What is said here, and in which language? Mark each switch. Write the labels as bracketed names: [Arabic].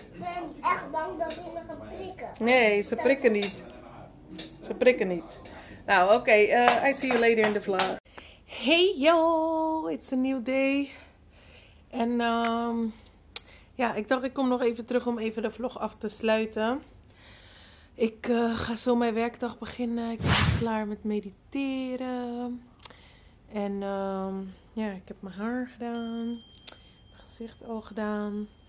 [Dutch] Ik ben echt bang dat ze me gaan prikken. Nee, ze prikken niet. Ze prikken niet. Nou, oké. [English] Okay, I see you later in the vlog. Hey yo, it's a new day. [Dutch] En ja, ik dacht ik kom nog even terug om even de vlog af te sluiten. Ik ga zo mijn werkdag beginnen. Ik ben klaar met mediteren. En ja, ik heb mijn haar gedaan. Mijn gezicht al gedaan.